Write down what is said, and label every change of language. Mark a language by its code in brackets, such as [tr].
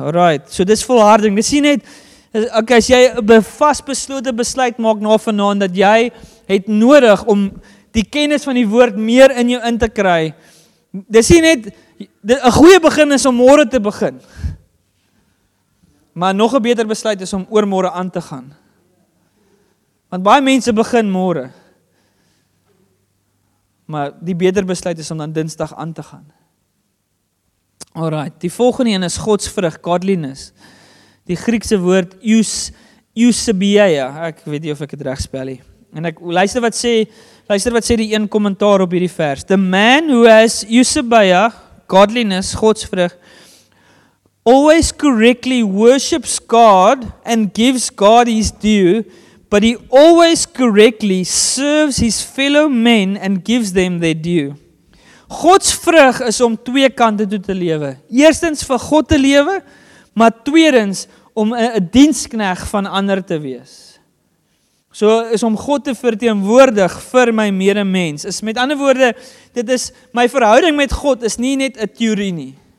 [af] Alright, so dis volharding. Dis net, okay, as jy 'n vasbeslote besluit maak na vanaand, dat jy het nodig om die kennis van die woord meer in jou in te kry, dis net, 'n goeie begin is om môre te begin. Maar nog 'n beter besluit is om oormôre aan te gaan. Want baie mense begin môre. Maar die beter besluit is om dan Dinsdag aan te gaan. Alright, die volgende een is godsvrug, godliness. Die Griekse woord eusebia, ek weet nie of ek dit reg spel nie. En ek luister wat sê die een kommentaar op hierdie vers. [en] The man who has eusebia, godliness, godsvrug, always correctly worships God and gives God his due, but he always correctly serves his fellow men and gives them their due. [af] God's vrug is om twee kante toe te lewe. Eerstens vir God te lewe, maar tweedens om 'n dienskneg van ander te wees. So is om God te verteenwoordig vir my medemens. Is met ander woorde, dit is my verhouding met God is nie net 'n teorie nie.